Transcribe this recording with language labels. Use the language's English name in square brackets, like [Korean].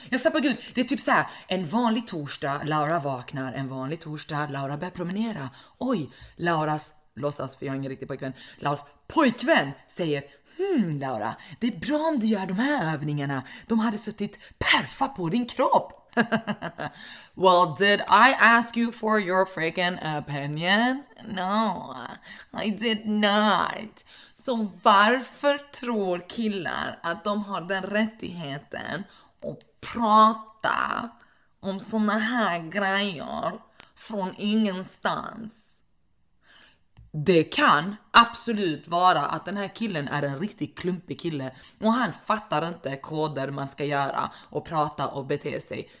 [Swedish] Jag sa på gud, det är typ så här: en vanlig torsdag, Laura vaknar. En vanlig torsdag, Laura börjar promenera. Oj, Lauras, låtsas för jag har ingen riktig pojkvän. Lauras pojkvän säger: Laura, det är bra om du gör de här övningarna. De hade suttit perfa på din kropp. [English] Well, did I ask you for your freaking opinion? No, I did not. [Swedish] Så varför tror killar att de har den rättigheten att prata om såna här grejer från ingenstans? Det kan absolut vara att den här killen är en riktigt klumpig kille och han fattar inte koder man ska göra och prata och bete sig.